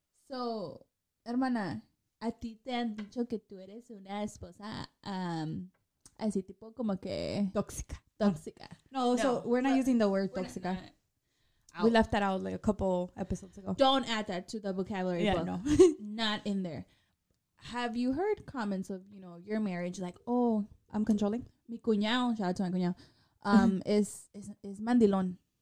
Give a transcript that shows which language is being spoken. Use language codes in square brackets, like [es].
[es] So, hermana, a ti te han dicho que tú eres una esposa así tipo como que... [en] Tóxica. No, so we're not using the word tóxica. We left that out like a couple episodes ago. Don't add that to the vocabulary book. No. Not in there. Have you heard comments of, you know, your marriage like, oh... I'm controlling. Mi cuñado, shout out to my cuñado, is mandilón.